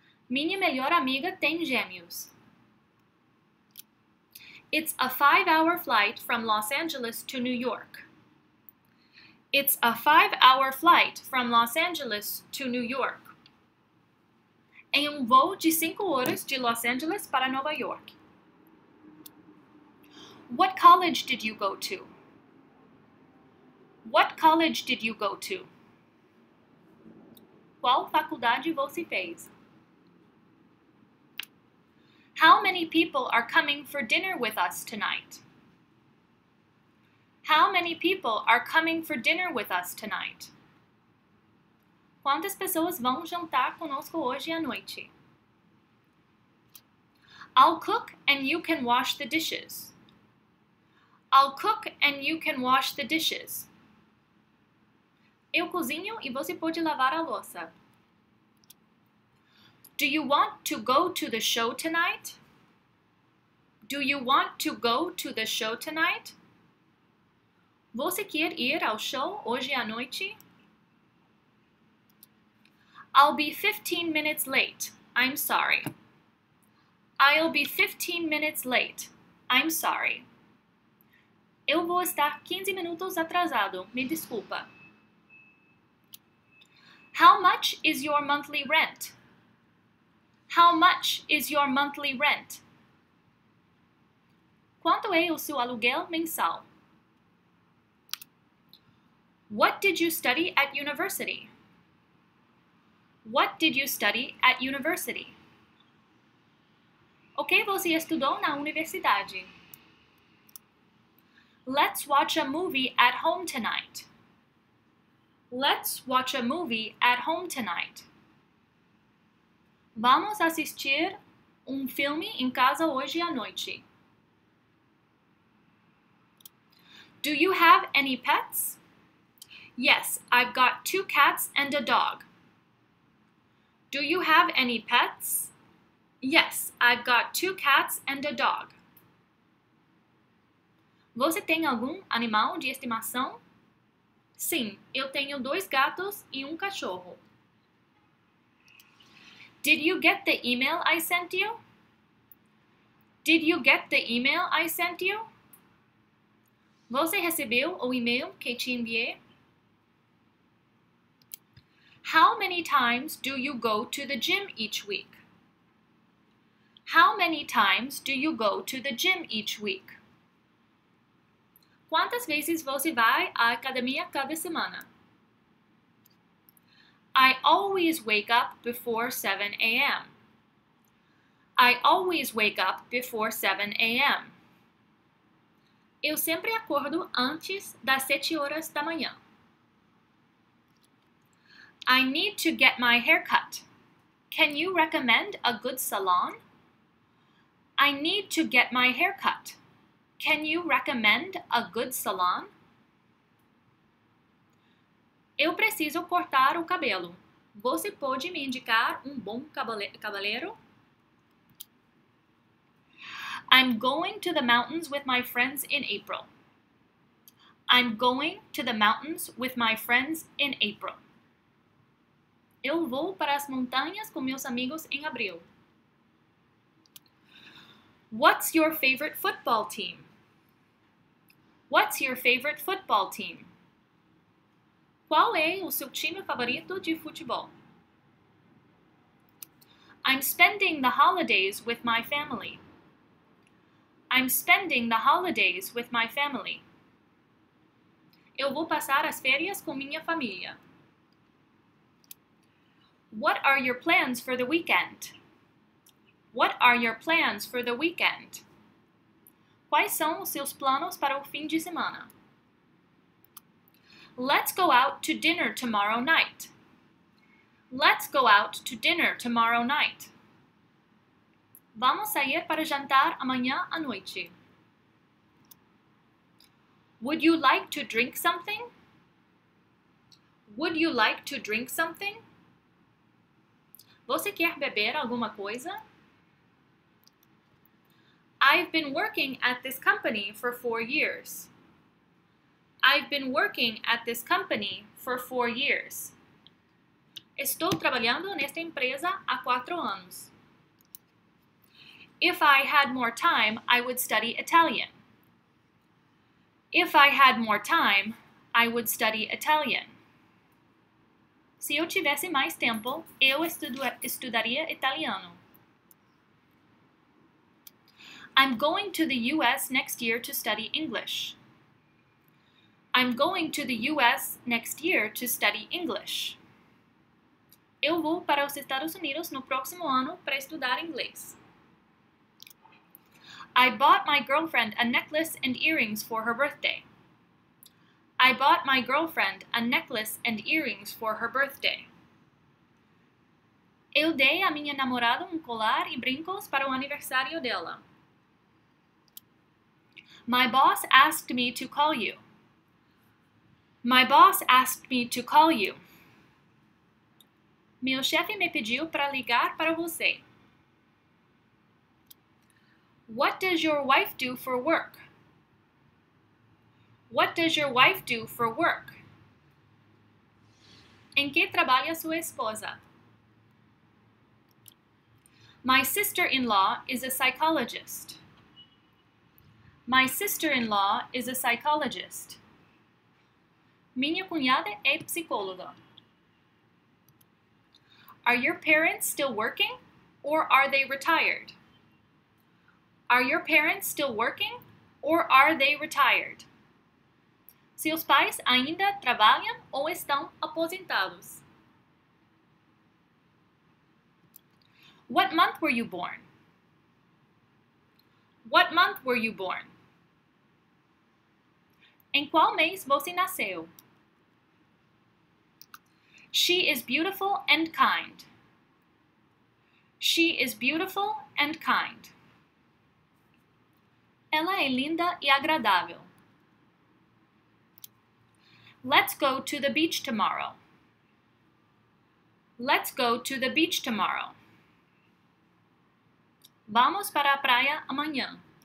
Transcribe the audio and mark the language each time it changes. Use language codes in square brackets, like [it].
[pt] Minha melhor amiga tem gêmeos. [en] It's a 5-hour flight from Los Angeles to New York. It's a 5-hour flight from Los Angeles to New York. [pt] É voo de 5 horas de Los Angeles para Nova York. [en] What college did you go to? What college did you go to? [pt] Qual faculdade você fez? [en] How many people are coming for dinner with us tonight? How many people are coming for dinner with us tonight? [pt] Quantas pessoas vão jantar conosco hoje à noite? [en] I'll cook and you can wash the dishes. I'll cook and you can wash the dishes. [pt] Eu cozinho e você pode lavar a louça. [en] Do you want to go to the show tonight? Do you want to go to the show tonight? [pt] Você quer ir ao show hoje à noite? [en] I'll be 15 minutes late. I'm sorry. I'll be 15 minutes late. I'm sorry. [pt] Eu vou estar 15 minutos atrasado. Me desculpa. [en] How much is your monthly rent? How much is your monthly rent? [pt] Quanto é o seu aluguel mensal? [en] What did you study at university? What did you study at university? [pt] O que você estudou na universidade? [en] Let's watch a movie at home tonight. Let's watch a movie at home tonight. [pt] Vamos assistir filme em casa hoje à noite. [en] Do you have any pets? Yes, I've got 2 cats and a dog. Do you have any pets? Yes, I've got 2 cats and a dog. [pt] Você tem algum animal de estimação? Sim, eu tenho 2 gatos e 1 cachorro. [en] Did you get the email I sent you? Did you get the email I sent you? [pt] Você recebeu o e-mail que te enviei? [en] How many times do you go to the gym each week? How many times do you go to the gym each week? [pt] Quantas vezes você vai à academia cada semana? [en] I always wake up before 7 a.m. I always wake up before 7 a.m. [pt] Eu sempre acordo antes das 7 horas da manhã. [en] I need to get my hair cut. Can you recommend a good salon? I need to get my hair cut. Can you recommend a good salon? [pt] Eu preciso cortar o cabelo. Você pode me indicar bom cabeleireiro? [en] I'm going to the mountains with my friends in April. I'm going to the mountains with my friends in April. [pt] Eu vou para as montanhas com meus amigos em abril. [en] What's your favorite football team? What's your favorite football team? [pt] Qual é o seu time favorito de futebol? [en] I'm spending the holidays with my family. I'm spending the holidays with my family. [pt] Eu vou passar as férias com minha família. [en] What are your plans for the weekend? What are your plans for the weekend? [pt] Quais são os seus planos para o fim de semana? [en] Let's go out to dinner tomorrow night. Let's go out to dinner tomorrow night. [pt] Vamos sair para jantar amanhã à noite. [en] Would you like to drink something? Would you like to drink something? [pt] Você quer beber alguma coisa? [en] I've been working at this company for 4 years. I've been working at this company for 4 years. [pt] Estou trabalhando nesta empresa há 4 anos. [en] If I had more time, I would study Italian. If I had more time, I would study Italian. [pt] Se eu tivesse mais tempo, eu estudaria italiano. [en] I'm going to the US next year to study English. I'm going to the US next year to study English. [pt] Eu vou para os Estados Unidos no próximo ano para estudar inglês. [en] I bought my girlfriend a necklace and earrings for her birthday. I bought my girlfriend a necklace and earrings for her birthday. [pt] Eu dei a minha namorada colar e brincos para o aniversário dela. [en] My boss asked me to call you. My boss asked me to call you. [pt] Meu chefe me pediu para ligar para você. [en] What does your wife do for work? What does your wife do for work? [pt] Em que trabalha sua esposa? [en] My sister-in-law is a psychologist. My sister-in-law is a psychologist. [pt] Minha cunhada é psicóloga. [en] Are your parents still working or are they retired? Are your parents still working or are they retired? [pt] Seus pais ainda trabalham ou estão aposentados? [en] What month were you born? What month were you born? [pt] Em qual mês você nasceu? [en] She is beautiful and kind. She is beautiful and kind. [pt] Ela é linda e agradável. [en] Let's go to the beach tomorrow. Let's go to the beach tomorrow. [pt] Vamos para a praia amanhã.